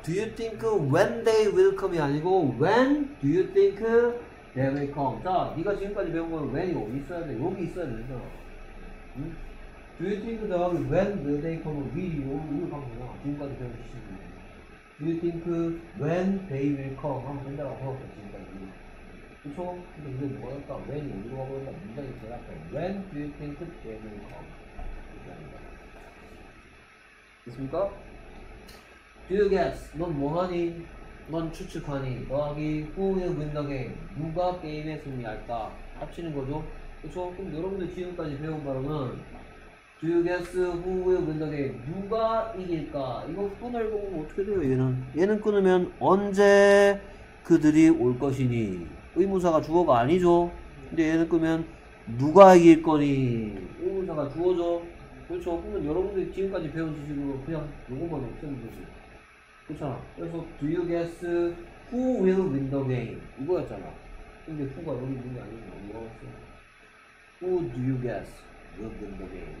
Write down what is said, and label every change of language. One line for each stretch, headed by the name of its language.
English: do you think when they will come이
Korean: 아니고
English: when do you think They will come.
Korean: 자, 네가 지금까지 배운 건 when이 어디 있어야 돼? 여기 있어야 돼. 응?
English: Do you think that when will they come? will
Korean: 이거 방금 뭐야? 지금까지 배운 시즌.
English: Do you think when they will come?
Korean: 하면 된다고 배웠어, 지금까지. 그쵸? 근데 이게 뭐였다? when이 어디로 가버렸다? 문장이 제일 앞에.
English: when do you think they will come?
Korean: 됐습니까?
English: Do you guess?
Korean: 넌 뭐하니? 넌 추측하니 더하기
English: who will win the game
Korean: 누가 게임에 승리할까 합치는 거죠 그렇죠? 그럼 여러분들 지금까지 배운 바로는
English: do you guess who will win the game
Korean: 누가 이길까 이거 끊을 거 보면 어떻게 돼요 얘는 끊으면 언제 그들이 올 것이니 의문사가 주어가 아니죠 근데 얘는 끊으면 누가 이길 거니 의문사가 주어죠 그렇죠? 그러면 여러분들 지금까지 배운 지식으로 그냥 요것만 없애면 되지 그렇잖아.
English: 그래서 do you guess who will win the game?
Korean: 이거였잖아. 근데 who가 여기 있는 게 아니고 뭐라고 했어?
English: Who do you guess will win the game?